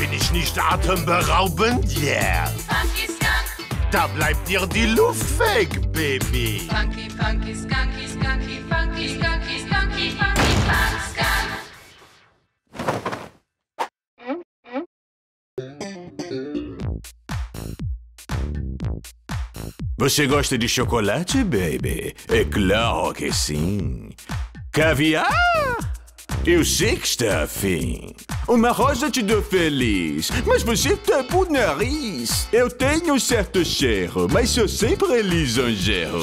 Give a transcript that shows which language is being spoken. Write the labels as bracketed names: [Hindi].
[German] Bin ich nicht atemberaubend? [English] Yeah. Funky Skunk. [German] Da bleibt dir die Luft weg, Baby. [English] Funky, funky, skunky, skunky, funky, skunky, skunky, funky, funk, skunk. [Portuguese] Você gosta de chocolate, Baby? É claro que sim. Caviar? Eu sei que está afim. Uma rosa te deu feliz, mas você tampa o nariz. Eu tenho um certo cheiro, mas sou sempre lisonjeiro.